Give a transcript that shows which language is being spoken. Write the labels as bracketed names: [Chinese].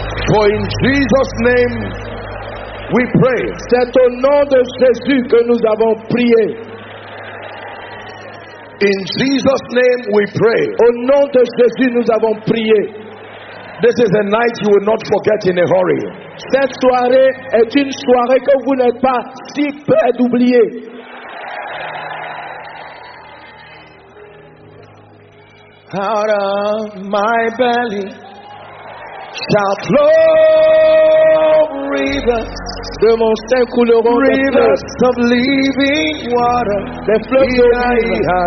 [English] For in Jesus' name we pray. [French] C'est au nom de Jésus que nous avons prié. [English] In Jesus' name we pray. [French] Au nom de Jésus nous avons prié. [English] This is a night you will not forget in a hurry. [French] Cette soirée est une soirée que vous n'êtes pas si près d'oublier. [English] Out of my belly shall flow rivers. [French] De mon sein couleront [English] rivers of living water. [French] Des fleuves de vie.